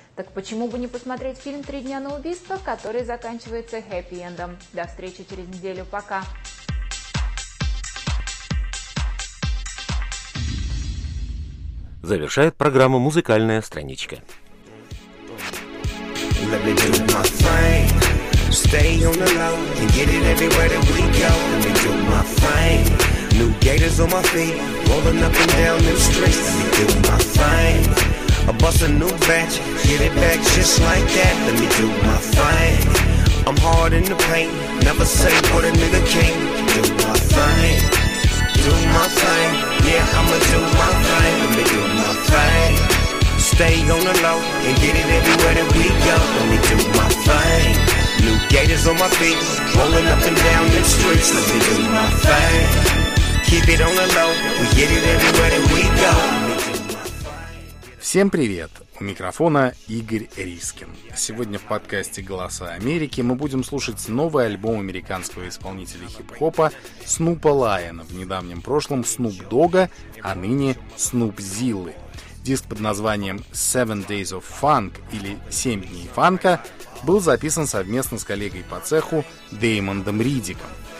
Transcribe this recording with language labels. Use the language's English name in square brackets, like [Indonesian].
[Russian] Так почему бы не посмотреть фильм «Три дня на убийство», который заканчивается хэппи-эндом? До встречи через неделю. Пока! Завершает программу «Музыкальная страничка». [English] Let me do my thing, stay on the low, and get it everywhere that we go. Let me do my thing, New gators on my feet, rolling up and down them streets. Let me do my thing. I bust a new batch, get it back just like that. Let me do my thing. I'm hard in the paint, never say what a nigga can't. Do my thing. Do my thing. Yeah, I'ma do my thing. Let me do my thing. Stay on the low and get it everywhere that we go. Let me do my thing. New gators on my feet, rolling up and down the streets. Let me do my thing. Keep it on the low, we get it everywhere that we go. [Russian] Всем привет! У микрофона Игорь Рискин. Сегодня в подкасте «Голоса Америки» мы будем слушать новый альбом американского исполнителя хип-хопа Снупа Лайона, в недавнем прошлом Снуп Дога, а ныне Снуп Зиллы. Диск под названием «Seven Days of Funk» или «Семь дней фанка» был записан совместно с коллегой по цеху Дэймондом Ридиком.